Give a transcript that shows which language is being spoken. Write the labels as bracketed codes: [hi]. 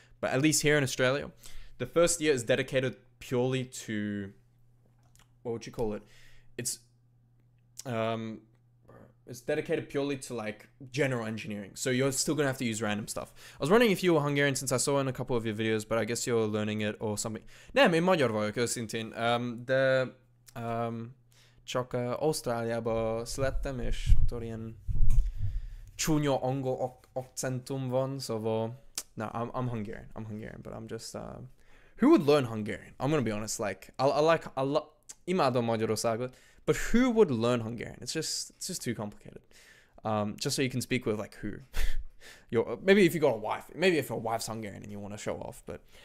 [en] But at least here in Australia, the first year is dedicated purely to what would you call it? It's dedicated purely to like general engineering. So you're still gonna have to use random stuff. I was wondering if you were Hungarian since I saw in a couple of your videos, but I guess you're learning it or something. [hu] Nem, én magyar vagyok, őszintén. De csak Ausztráliába születtem, és tudod, ilyen csúnya angol akcentum van, szóval... [en] No, I'm Hungarian, but I'm just... who would learn Hungarian? I'm gonna be honest, like... [hu] imádom Magyarországot, [en] but who would learn Hungarian? It's just too complicated. Just so you can speak with, like, who? maybe if you got a wife. Maybe if your wife's Hungarian and you want to show off, but...